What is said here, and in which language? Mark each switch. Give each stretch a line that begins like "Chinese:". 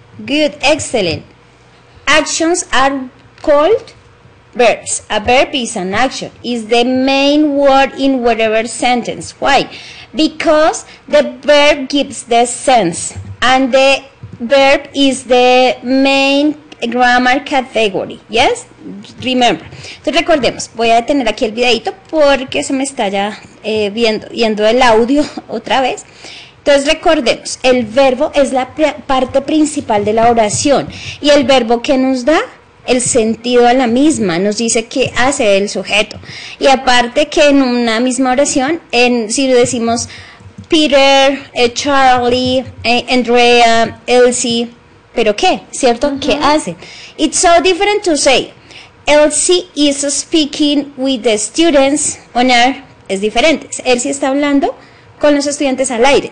English: Good, excellent. Actions are called verbs. A verb is an action. It's the main word in whatever sentence. Why? Because the verb gives the sense and the verb is the main grammar category, yes? Remember.
Spanish: Entonces recordemos, voy a detener aquí el videito porque se me está ya viendo el audio otra vez. Entonces recordemos, el verbo es la parte principal de la oración. ¿Y el verbo qué nos da? El sentido a la misma, nos dice qué hace el sujeto. Y aparte que en una misma oración, si lo decimos Peter, Charlie, Andrea, Elsy, ¿pero qué? ¿Cierto? Uh-huh. ¿Qué hacen?
English: It's so different to say, Elsy is speaking with the students on air.
Spanish: Es diferente. Elsy está hablando con los estudiantes al aire.